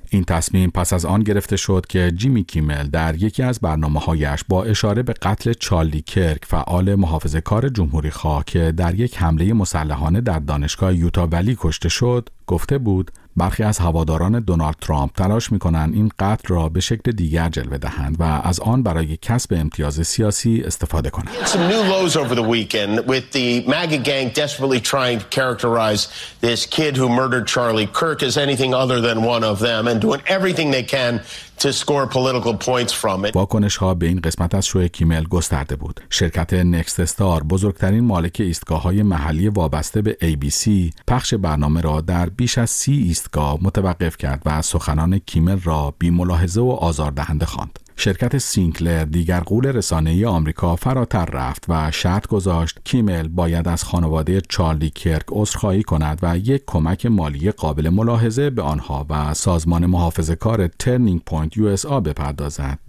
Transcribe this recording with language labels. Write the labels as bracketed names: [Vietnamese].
[Persian] این تصمیم پس از آن گرفته شد که جیمی کیمل در یکی از برنامه‌هایش با اشاره به قتل چارلی کرک، فعال محافظه‌کار جمهوری‌خواه که در یک حمله مسلحانه در دانشگاه یوتا ولی کشته شد، گفته بود برخی از هواداران دونالد ترامپ تلاش می‌کنند این قتل را به شکل دیگر جلوه دهند و از آن برای کسب امتیاز سیاسی استفاده کنند. [English] Some new lows over the weekend with the MAGA gang desperately trying to characterize this kid who murdered Charlie Kirk as anything other than one of them and doing everything they can to score political points from it. [Persian] واکنش‌ها به این قسمت از شو کیمل گسترده بود. شرکت نکست استار، بزرگترین مالک ایستگاه‌های محلی وابسته به ABC، پخش برنامه را در بیش از 30 ایستگاه متوقف کرد و سخنان کیمل را بی‌ملاحظه و آزاردهنده خواند. شرکت سینکلر، دیگر غول رسانه‌ای آمریکا، فراتر رفت و شرط گذاشت کیمل باید از خانواده چارلی کرک عذرخواهی کند و یک کمک مالی قابل ملاحظه به آنها و سازمان محافظه‌کار ترنینگ پوینت USA بپردازد.